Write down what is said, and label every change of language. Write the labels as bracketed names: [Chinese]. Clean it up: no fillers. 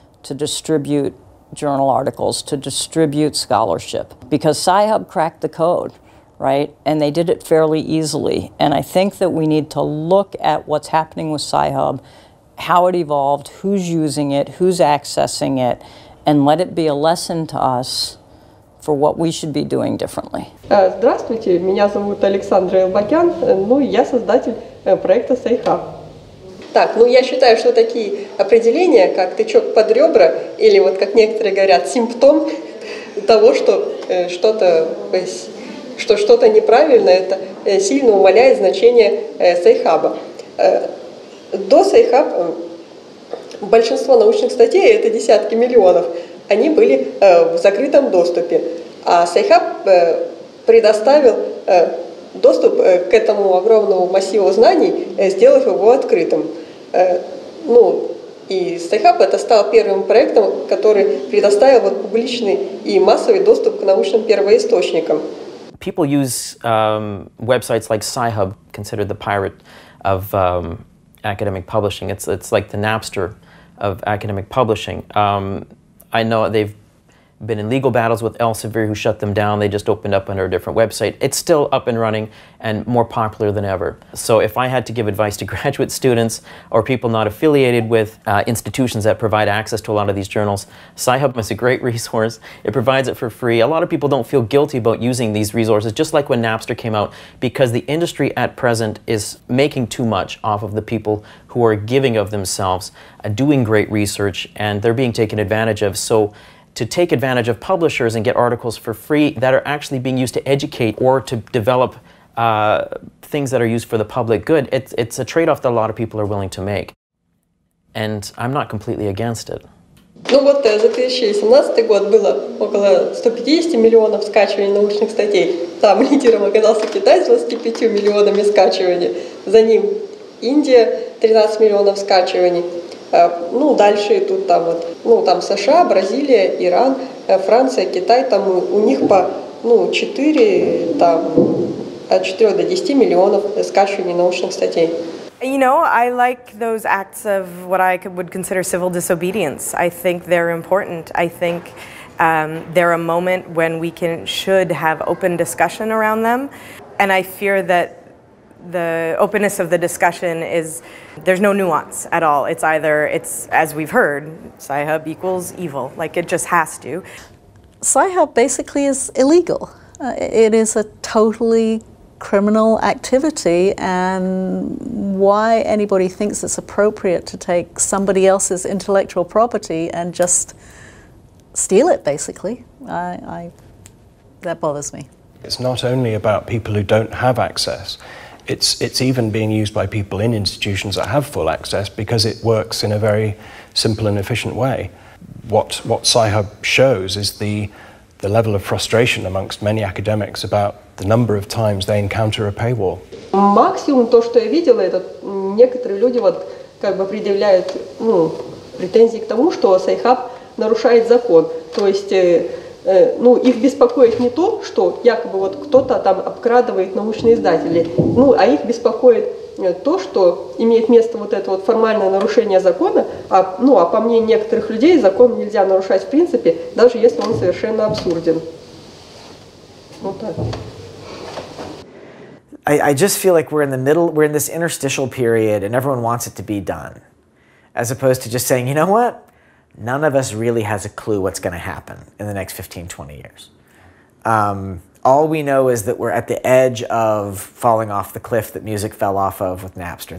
[English] to distribute journal articles, to distribute scholarship, because Sci-Hub cracked the code, right? And they did it fairly easily. And I think that we need to look at what's happening with Sci-Hub, how it evolved, who's using it, who's accessing it, and let it be a lesson to us for what we should be doing differently. [Russian] Здравствуйте, меня зовут Александра Елбакян. Ну, я создатель проекта Sci-Hub. Так, ну я считаю, что такие определения, как тычок под ребра, или вот как некоторые говорят, симптом того, что что-то неправильно, это сильно умаляет значение Sci-Hub. До Sci-Hub большинство научных статей, это десятки миллионов, они были в закрытом доступе. А Sci-Hub предоставил доступ к этому огромному массиву знаний, сделав его открытым. Ну, и Sci-Hub это стал первым проектом, который предоставил вот публичный и массовый доступ к научным первоисточникам. [English] People use websites like Sci-Hub, considered the pirate of academic publishing. It's like the Napster of academic publishing. I know they've been in legal battles with Elsevier, who shut them down. They just opened up under a different website. It's still up and running and more popular than ever. So if I had to give advice to graduate students or people not affiliated with institutions that provide access to a lot of these journals, Sci-Hub is a great resource. It provides it for free. A lot of people don't feel guilty about using these resources, just like when Napster came out, because the industry at present is making too much off of the people who are giving of themselves, doing great research, and they're being taken advantage of. So to take advantage of publishers and get articles for free that are actually being used to educate or to develop things that are used for the public good, it's a trade-off that a lot of people are willing to make. And I'm not completely against it. [Russian] Ну вот, за 2017 год было около 150 миллионов скачиваний научных статей. Там лидером оказался Китай с 25 миллионами скачиваний. За ним Индия 13 миллионов скачиваний. Ну, дальше тут там вот, ну, там США, Бразилия, Иран, Франция, Китай, там у них по, ну, 4, там, от 4 до 10 миллионов скачиваний научных статей. [English] You know, I like those acts of what I would consider civil disobedience. I think they're important. I think they're a moment when we can, should have open discussion around them. And I fear that the openness of the discussion is, there's no nuance at all. It's either, it's as we've heard, Sci-Hub equals evil. Like, it just has to. Sci-Hub basically is illegal. It is a totally criminal activity, and why anybody thinks it's appropriate to take somebody else's intellectual property and just steal it, basically, that bothers me. It's not only about people who don't have access. It's even being used by people in institutions that have full access because it works in a very simple and efficient way. What Sci-Hub shows is the level of frustration amongst many academics about the number of times they encounter a paywall. [Russian] Максимум то, что я видела, это некоторые люди вот как бы предъявляют, ну, претензии к тому, что Sci-Hub нарушает закон. То есть ну, их беспокоит не то, что якобы вот кто-то там обкрадывает научные издатели, ну, а их беспокоит то, что имеет место вот это вот формальное нарушение закона, а, ну, а по мнению некоторых людей, закон нельзя нарушать в принципе, даже если он совершенно абсурден. Вот так. [English] I just feel like we're in the middle, we're in this interstitial period, and everyone wants it to be done, as opposed to just saying, you know what? None of us really has a clue what's going to happen in the next 15, 20 years. All we know is that we're at the edge of falling off the cliff that music fell off of with Napster.